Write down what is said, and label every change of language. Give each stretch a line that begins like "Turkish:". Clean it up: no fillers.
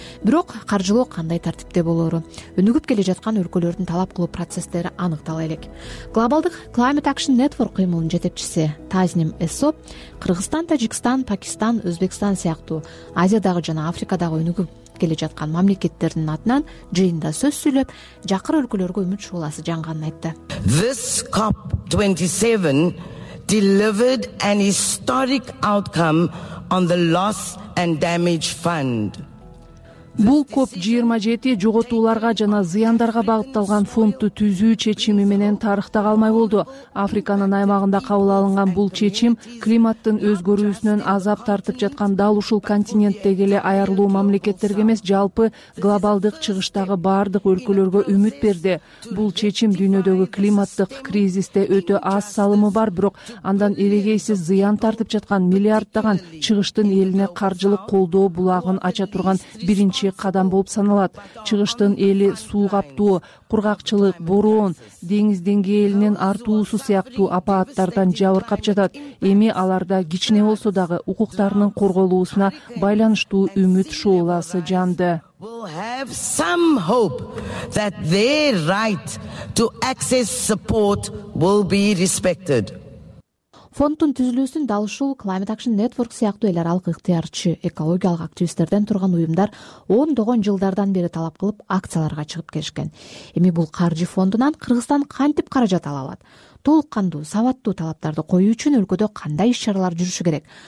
Kyrgyz: Бирок каржылоо кандай тартипте болору, өнүгүп келе жаткан өлкөлөрдүн талап кылуу процесстери аныктала элек. Глобалдык Climate Action Network кыймылынын жетекчиси Тазним Эсоп Кыргызстан, Тажикстан, Пакистан, Өзбекстан сыяктуу Азиядагы жана Африкадагы өнүгүп келе жаткан мамлекеттердин атынан жыйында сөз сүйлөп, жакыр өлкөлөргө үмүт шууласы жанганын айтты.
English: This COP 27 delivered an historic outcome on the loss and damage fund.
Kyrgyz: Бул COP27 жоготууларга жана зыяндарга багытталган фондду түзүү чечими менен тарыхта калмай болду. Африканын аймагында кабыл алынган бул чечим климаттын өзгөрүүсүнөн азап тартып жаткан дал ушул континенттеги эле аярлуу мамлекеттерге эмес, жалпы глобалдык чыгыштагы баардык өлкөлөргө үмүт берди. Бул чечим дүйнөдөгү климаттык кризисте өтө аз салымы бар, бирок андан эрегейсиз зыян тартып жаткан миллиарддаган чыгыштын элине каржылык колдоо булагын ача турган биринчи биринчи кадам болуп саналат. Чыгыштын эли суу каптоо, кургакчылык, бороон, деңиз деңгээлинин артуусу сыяктуу апааттардан жабыркап жатат. Эми аларда кичине болсо дагы укуктарынын корголуусуна байланыштуу үмүт шууласы жанды.
English: Will have some hope that their right to access support will be respected.
Kyrgyz: Фонддун түзүлүүсүн Дал Ушул, Climate Action Network сыяктуу эл аралык ыктыярчы, экологиялык активисттерден турган уюмдар ондогон жылдардан бери талап кылып акцияларга чыгып келишкен. Эми бул каржы фондунан Кыргызстан кантип каражат ала алат? Толук кандуу, сабаттуу талаптарды коюу үчүн өлкөдө кандай иш-чаралар жүрүшү керек?